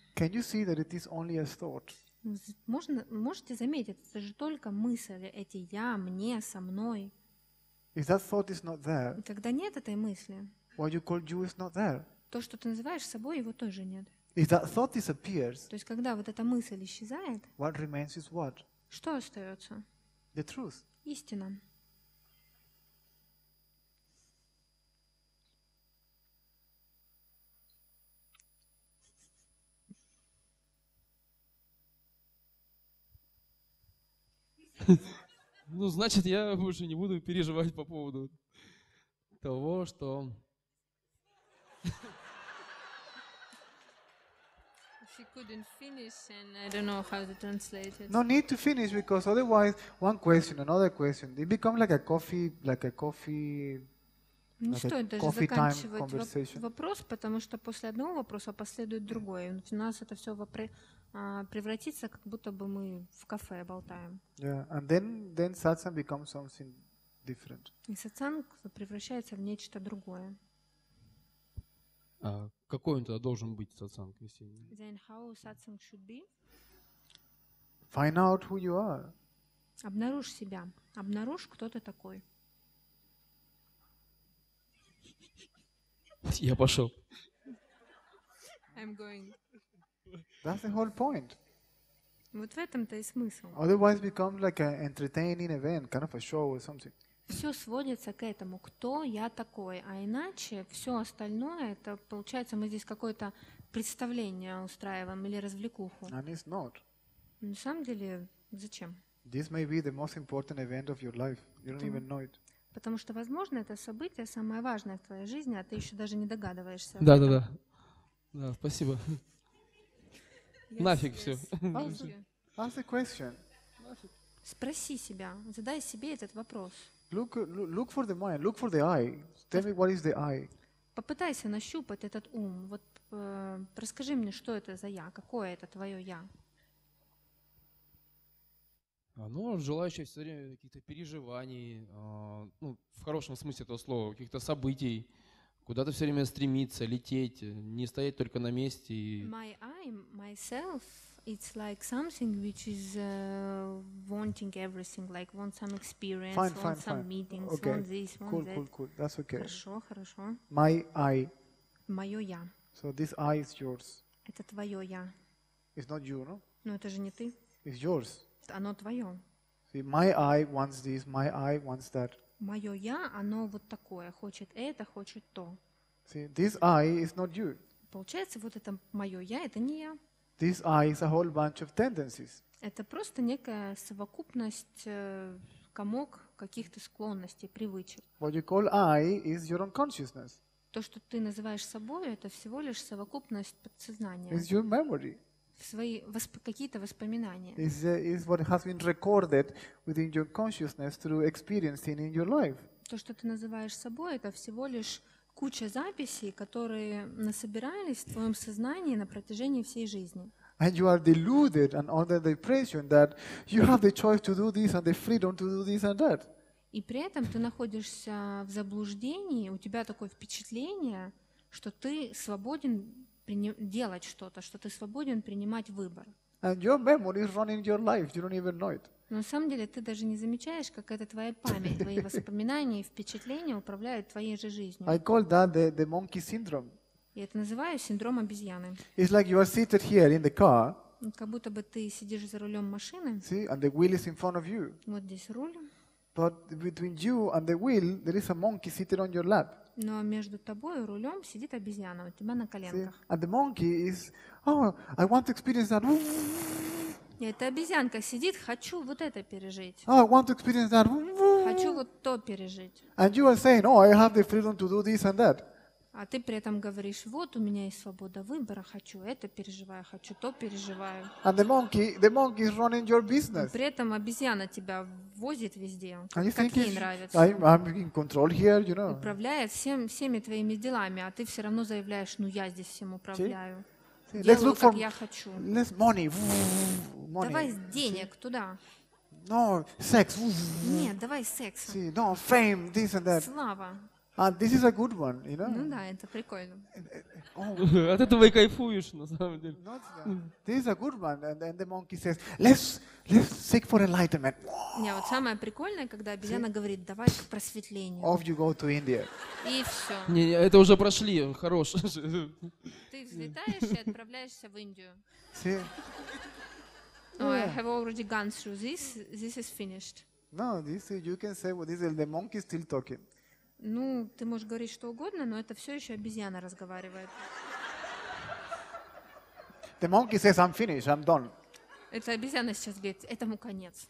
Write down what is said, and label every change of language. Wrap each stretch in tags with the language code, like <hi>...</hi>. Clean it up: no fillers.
<en>Can you see that it is only a thought?</en> <ru>Можете заметить, это же только мысль, эти я, мне, со мной.</ru> <en>If that thought is not there,</en> <ru>когда нет этой мысли,</ru> <en>what you call you is not there.</en> <ru>То, что ты называешь собой, его тоже нет.</ru> <en>If that thought disappears,</en> <ru>то есть когда вот эта мысль исчезает,</ru> <en>what remains is what?</en> <ru>Что остается?</ru> <en>The truth.</en> <ru>Истина. Ну, значит, я больше не буду переживать по поводу того, что...</ru> <en>If you couldn't finish, and I don't know how to translate it. No need to finish, because otherwise, one question, another question, they become like a coffee time conversation.</en> <ru>Вопрос, потому что после одного вопроса последует другой. У нас это все вопрос... превратиться, как будто бы мы в кафе болтаем.</ru> <en>Yeah. And then satsang becomes something different.</en> <ru>И сатсанг превращается в нечто другое. Какой он тогда должен быть, сатсанг? Если...</ru> <en>Then how satsang should be? Find out who you are.</en> <ru>Обнаружь себя. Обнаружь, кто ты такой. Я пошел.</ru> <en>I'm going. That's the whole point.</en> <ru>Вот в этом-то и смысл.</ru> <en>Otherwise, become like an entertaining event, kind of a show or something.</en> <ru>Все сводится к этому. Кто я такой? А иначе все остальное это получается, мы здесь какое-то представление устраиваем или развлекуху.</ru> <en>And it's not.</en> <ru>На самом деле, зачем?</ru> <en>This may be the most important event of your life. You don't even know it.</en> <ru>Потому что, возможно, это событие самое важное в твоей жизни, а ты еще даже не догадываешься. Да, да, да. Да, спасибо.</ru> <en>Yes,</en> <ru>нафиг</ru> <en>yes.</en> <ru>Все.</ru> <en>Ask the question.</en> <ru>Спроси себя, задай себе этот вопрос.</ru> <en>Look for the mind, look for the eye. Tell me what is the eye.</en> <ru>Попытайся нащупать этот ум. Вот расскажи мне, что это за я, какое это твое я? Ну, желающие все время каких-то переживаний, ну, в хорошем смысле этого слова, каких-то событий, куда-то все время стремиться, лететь, не стоять только на месте.</ru> <en>My I, myself, it's like something which is wanting everything, like want some experience, fine, want fine, some fine. Meetings, okay. Want this, want cool, that. Cool, cool, that's okay.</en> <ru>Хорошо, хорошо.</ru> <en>My I.</en> <ru>Мое я.</ru> <en>So this I is yours.</en> <ru>Это твое я.</ru> <en>It's not you, no?</en> <ru>Ну, это же не ты.</ru> <en>It's yours.</en> <ru>Оно твое.</ru> <en>See, my eye wants this, my eye wants that.</en> <ru>Мое я, оно вот такое, хочет это, хочет то.</ru> <en>See, this eye is not you.</en> <ru>Получается, вот это мое я, это не я.</ru> <en>This eye is a whole bunch of tendencies.</en> <ru>Это просто некая совокупность, комок каких-то склонностей, привычек.</ru> <en>What you call I is your own consciousness.</en> <ru>То, что ты называешь собой, это всего лишь совокупность подсознания.</ru> <en>It's your memory.</en> <ru>Свои какие-то воспоминания.</ru> <en>Is what has been recorded within your consciousness through experiencing in your life.</en> <ru>То, что ты называешь собой, это всего лишь куча записей, которые насобирались в твоем сознании на протяжении всей жизни.</ru> <en>And you are deluded and under the impression that you have the choice to do this and the freedom to do this and that.</en> <ru>И при этом ты находишься в заблуждении, у тебя такое впечатление, что ты свободен делать что-то, что ты свободен принимать выбор.</ru> <en>And your memory is running your life. You don't even know it.</en> <ru>Но на самом деле ты даже не замечаешь, как это твоя память, твои воспоминания и впечатления управляют твоей же жизнью.</ru> <en>I call that the monkey syndrome.</en> <ru>Я это называю синдром обезьяны.</ru> <en>It's like you are seated here in the car.</en> <ru>Как будто бы ты сидишь за рулем машины.</ru> <en>See, and the wheel is in front of you.</en> <ru>Вот здесь руль.</ru> <en>But between you and the wheel, there is a monkey sitting on your lap.</en> <ru>Но между тобой и рулем сидит обезьяна, у тебя на коленках.</ru> <en>See, and the monkey is, oh, I want to experience that.</en> <ru>Эта обезьянка сидит, хочу вот это пережить.</ru> <en>Oh, I want to experience that.</en> <ru>Хочу вот то пережить.</ru> <en>And you are saying, oh, I have the freedom to do this and that.</en> <ru>А ты при этом говоришь, вот у меня есть свобода выбора, хочу это переживаю, хочу то переживаю.</ru> <en>And the monkey is running your business.</en> <ru>При этом обезьяна тебя возит везде, как ей нравится.</ru> <en>I'm in control here, you know.</en> <ru>Управляет всеми твоими делами, а ты все равно заявляешь, ну я здесь всем управляю.</ru> <en>See?</en> <ru>Делаю,</ru> <en>look</en> <ru>как</ru> <en>for,</en> <ru>я хочу.</ru> <en>Let's money.</en> <ru>Давай денег</ru> <en>See?</en> <ru>Туда.</ru> <en>No, sex.</en> <ru>Нет, давай секс.</ru> <en>No, fame, this and that.</en> <ru>Слава.</ru> <en>And this is a good one, you know?</en> <ru>Ну да, это прикольно. От этого и кайфуешь, на самом деле.</ru> <en>This is a good one. And then the monkey says, let's seek for enlightenment.</en> <ru>Не, вот самое прикольное, когда обезьяна говорит, давай к просветлению.</ru> <en>Off you go to India.</en> <ru>И все. Не, это уже прошли, хорош. Ты взлетаешь и отправляешься в Индию.</ru> <en>See? Oh, I have already gone through this. This is finished. No, this is, you can say, well, this is the monkey still talking.</en> <ru>Ну, ты можешь говорить что угодно, но это все еще обезьяна разговаривает.</ru> <en>The monkey says, I'm finished, I'm done.</en> <ru>Это обезьяна сейчас говорит, этому конец.</ru>